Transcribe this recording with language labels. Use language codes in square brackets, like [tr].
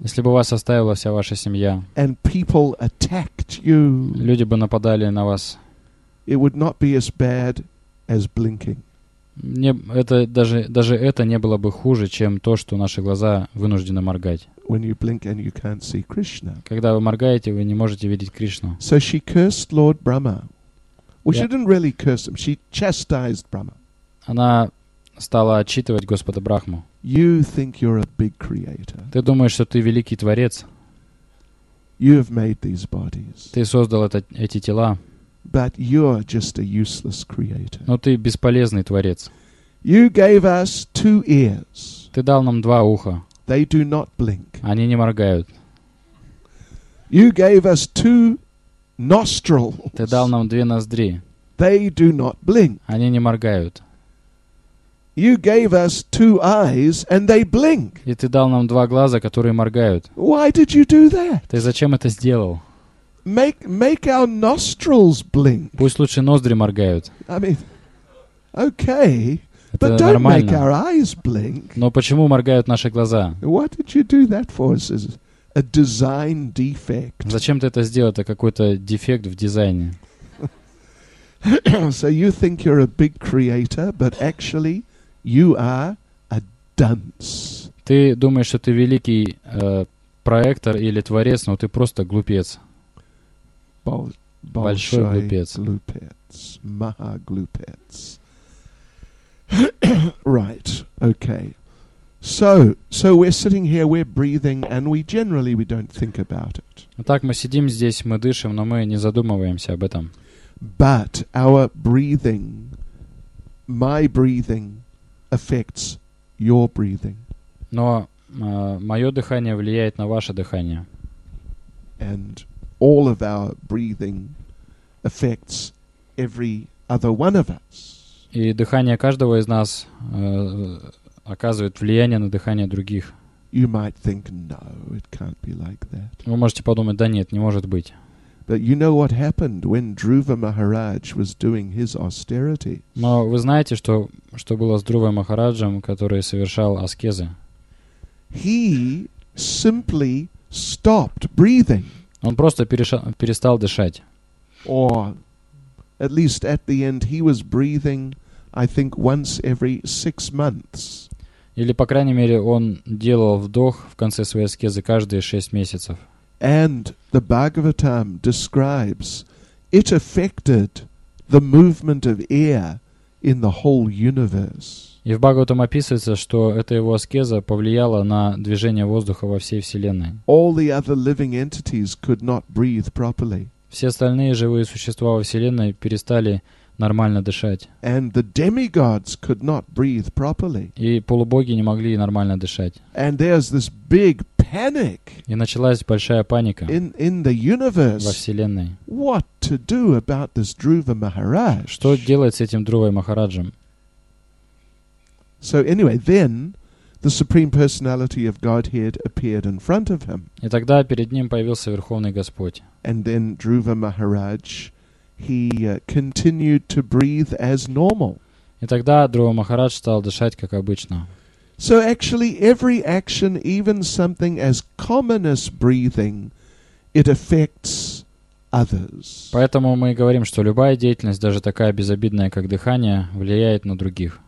[ru] если бы вас оставила вся ваша семья, [en] and people attacked you, [ru] люди бы нападали на вас, [en] it would not be as bad as blinking. [ru] Даже это не было бы хуже, чем то, что наши глаза вынуждены моргать. [en] When you blink and you can't see Krishna. [ru] Когда вы моргаете, вы не можете видеть Кришну. [en] So she cursed Lord Brahma. She didn't really curse him. She chastised Brahma. [ru] Она стала отчитывать Господа Брахму. [en] You think you're a big creator. [ru] Ты думаешь, что ты великий творец? [en] You have made these bodies. [ru] Ты создал эти тела. [en] But you're just a useless creator. [ru] Но ты бесполезный творец. [en] You gave us two ears. [ru] Ты дал нам два уха. [en] They do not blink. [ru] Они не моргают. [en] You gave us two nostrils. [ru] Ты дал нам две ноздри. [en] They do not blink. [ru] Они не моргают. [en] You gave us two eyes and they blink. [ru] И ты дал нам два глаза, которые моргают. [en] Why did you do that? [ru] Ты зачем это сделал? [en] Make our nostrils blink. [ru] Пусть лучше ноздри моргают. [en] I mean, okay, but don't make our eyes blink. [ru] Но почему моргают наши глаза? [en] What did you do that for? It's a design defect. [ru] Зачем ты это сделал? Это какой-то дефект в дизайне. [en] So you think you're a big creator, but actually you are a dunce. [ru] Ты думаешь, что ты великий проектор или творец, но ты просто глупец. [en] Well, [ru] большой глупец. Глупец. Маха глупец. [en] Right, okay. So we're sitting here, we're breathing, and we don't think about it. [ru] Так, мы сидим здесь, мы дышим, но мы не задумываемся об этом. [en] But our breathing, my breathing, affects your breathing. [ru] Но мое дыхание влияет на ваше дыхание. [en] And all of our breathing affects every other one of us. [ru] И дыхание каждого из нас оказывает влияние на дыхание других. [en] You might think, no, it can't be like that. [ru] Вы можете подумать, да нет, не может быть. [en] But you know what happened when Dhruva Maharaj was doing his austerity. [ru] Но вы знаете, что было с Друвой Махараджем, который совершал аскезы? [en] He simply stopped breathing. [ru] Он просто перестал дышать. [en] Or at least at the end he was breathing, I think, once every 6 months. [ru] Или, по крайней мере, он делал вдох в конце своей аскезы каждые 6 месяцев. [en] And the Bhagavatam describes it affected the movement of air in the whole universe. [ru] И в Бхагаватам описывается, что эта его аскеза повлияла на движение воздуха во всей Вселенной. [en] All the other living entities could not breathe properly. [ru] Все остальные живые существа во Вселенной перестали нормально дышать. [en] And the demigods could not breathe properly. [ru] И полубоги не могли нормально дышать. [en] And there's this big panic. [ru] И началась большая паника [en] in the universe. [ru] Во Вселенной. [en] What to do about this Dhruva Maharaj? [ru] Что делать с этим Друвой Махараджем? [en] So anyway, then the Supreme Personality of Godhead appeared in front of him. [ru] И тогда перед ним появился Верховный Господь. [en] And then Dhruva Maharaj, he continued to breathe as normal. [ru] И тогда Друва Махарадж стал дышать как обычно. [en] So actually every action, even something as common as breathing, it affects others. [ru] Поэтому мы говорим, что любая деятельность, даже такая безобидная, как дыхание, влияет на других.